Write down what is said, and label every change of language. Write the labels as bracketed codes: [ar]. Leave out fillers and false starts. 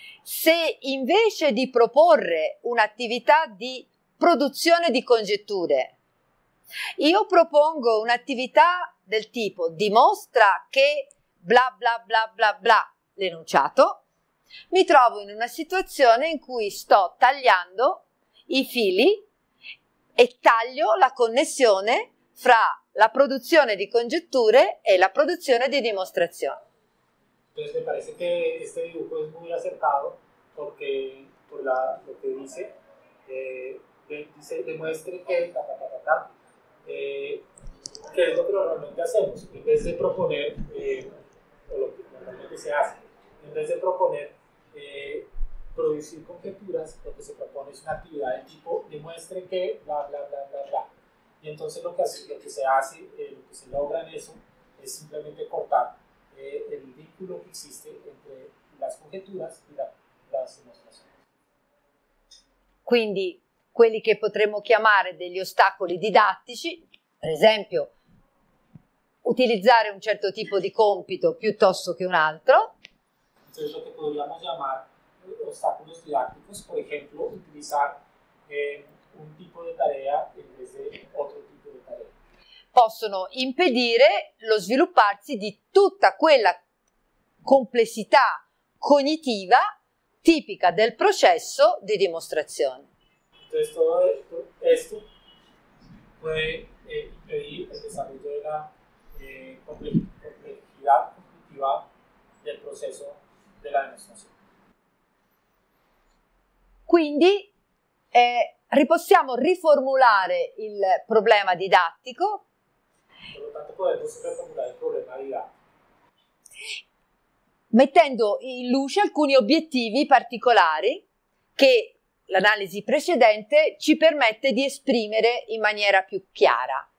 [it] Se invece di proporre un'attività di produzione di congetture, io propongo un'attività del tipo dimostra che bla bla bla bla bla l'enunciato, mi trovo in una situazione in cui sto tagliando i fili e taglio la connessione fra la produzione di congetture e la produzione di dimostrazione. [es] Entonces, me parece que este dibujo es muy acertado porque por la lo que dice dice demuestre que que es lo que normalmente hacemos en vez de proponer o lo que normalmente se hace en vez de proponer producir conjeturas, lo que se propone es una actividad del tipo demuestre que bla bla bla bla bla. Y entonces lo que se logra en eso es simplemente cortar el vínculo que existe entre las conjeturas y las demostraciones. [it] Quindi, quelli che potremmo chiamare degli ostacoli didattici, per esempio, utilizzare un certo tipo di compito piuttosto che un altro. [es] Entonces, lo que podríamos llamar obstáculos didácticos, por ejemplo, utilizar un tipo de tarea en vez de otro tipo de tarea. [it] Possono impedire lo svilupparsi di tutta quella complessità cognitiva tipica del processo di dimostrazione. [es] Entonces, todo esto puede impedir el desarrollo de la complejidad cognitiva [it] del processo di dimostrazione. della dimostrazione. Quindi possiamo riformulare il problema didattico. Tanto poi possiamo riformulare il problema didattico. Mettendo in luce alcuni obiettivi particolari che l'analisi precedente ci permette di esprimere in maniera più chiara.